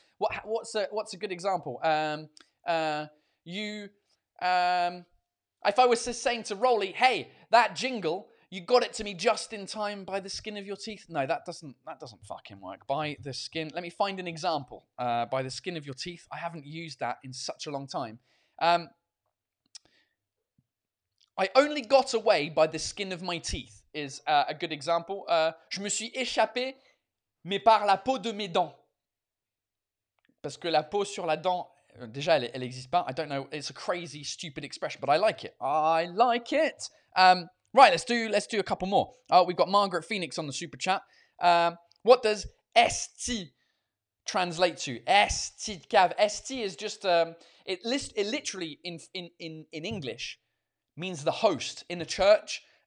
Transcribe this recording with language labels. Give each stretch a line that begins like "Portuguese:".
English: What's a good example? If I was just saying to Rolly, hey, that jingle, you got it to me just in time by the skin of your teeth. No, that doesn't fucking work. By the skin. Let me find an example. By the skin of your teeth. I haven't used that in such a long time. I only got away by the skin of my teeth. Is a good example.
French: Je me suis échappé, mais par la peau de mes dents. Parce que la peau sur la dent, déjà, elle n'existe pas.
English: I don't know. It's a crazy, stupid expression, but I like it. I like it. Right, let's do a couple more. Oh, we've got Margaret Phoenix on the super chat. What does ST translate to? ST de cave. ST is just literally in English means the host in the church.